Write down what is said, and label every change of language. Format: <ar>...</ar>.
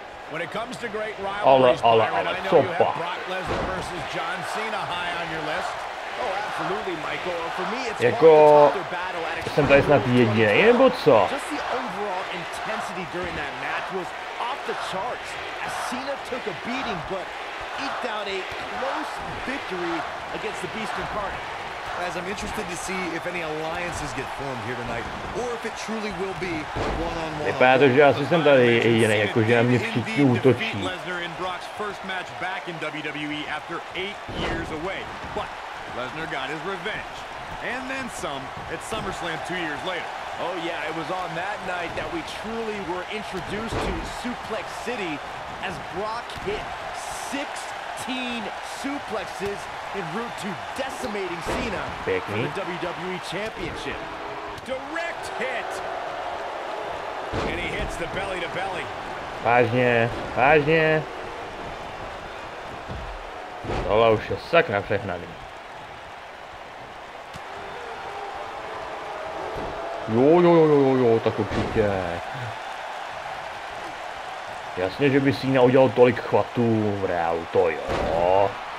<en>When it comes to great rivalries, ale, Byron, I know you have Brock Lesnar versus John Cena high on your list. Oh, absolutely, Michael. For me, it's</en> <cs>jako jsem tady snad jedinej, nebo co?</cs> <en>Just the overall intensity during that match was off the charts. As Cena took a beating, but eked out a close victory against the Beast Incarnate. As I'm interested to see if any alliances get formed here tonight, or if it truly will be one-on-one.</en> <cs>Vypadá to, že asi jsem tady jediný, jakože na mě všichni útočí.</cs> <en>Lesnar in Brock's first match back in WWE after 8 years away, but Lesnar got his revenge, and then some at SummerSlam 2 years later. Oh yeah, it was on that night that we truly were introduced to Suplex City as Brock hit 16 suplexes en route to decimating Cena for the WWE Championship. Direct hit! And he hits the belly to belly.</en> <cs>Vážně. Tohle už je sakra přehnaný. Jo, tak určitě. Jasně, že by Cena udělal tolik chvatů v reálu, to jo.</cs>